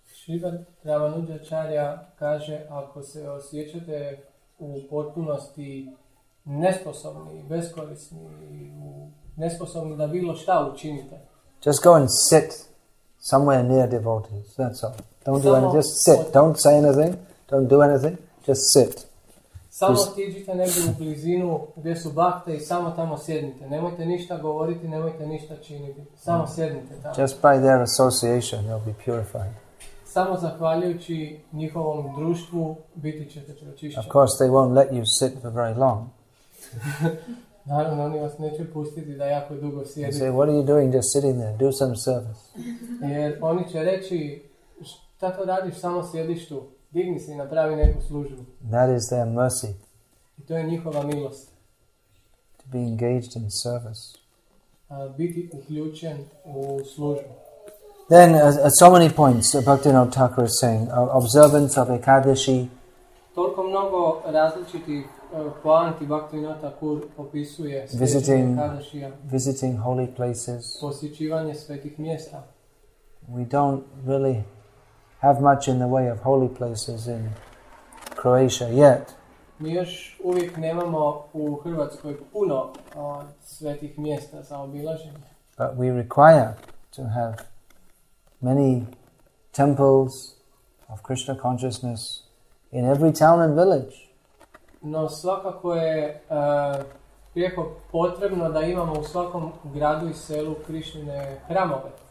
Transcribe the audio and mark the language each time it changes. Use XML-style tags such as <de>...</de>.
<hr>Shripad Ramanujacharya kaže ako se osjećate u potpunosti nesposobni, beskorisni, nesposobni da bilo šta učinite.</hr> <en>Just go and sit somewhere near devotees, that's all. Don't</en> <hr>samo</hr> <en>do anything, just sit. Don't say anything, don't do anything, just sit.</en> <hr>Samo otiđite negdje u blizinu gdje su bhakte i samo tamo sjednite. Nemojte ništa govoriti, nemojte ništa činiti. Samo sjednite tamo.</hr> <en>Just by their association, you'll be purified.</en> <hr>Samo zahvaljujući njihovom društvu, biti ćete očišćeni.</hr> <en>Of course, they won't let you sit for very long.</en> <hr>Naravno, oni vas neće pustiti da jako dugo sjedite.</hr> <en>They say, what are you doing just sitting there? Do some service.</en> <hr>Jer oni će reći, šta to radiš, samo sjediš tu. Digni se i napravi neku službu.</hr> <en>That is their mercy.</en> <hr>I to je njihova milost.</hr> <en>To be engaged in service.</en> <hr>Biti uključen u službu.</hr> <en>Then, at so many points, Bhaktivinoda Thakura is saying, observance of Ekadashi.</en> <hr>Toliko mnogo različitih poanti Bhaktivinoda Thakura opisuje.</hr> <en>Visiting holy places.</en> <hr>Posjećivanje svetih mjesta.</hr> <en>We don't really have much in the way of holy places in Croatia yet.</en> <hr>Mi još uvijek nemamo u Hrvatskoj puno svetih mjesta za obilaženje.</hr> <en>But we require to have many temples of Krishna consciousness in every town and village.</en> <hr>No svakako je prijeko potrebno da imamo u svakom gradu i selu Krišnine hramove.</hr>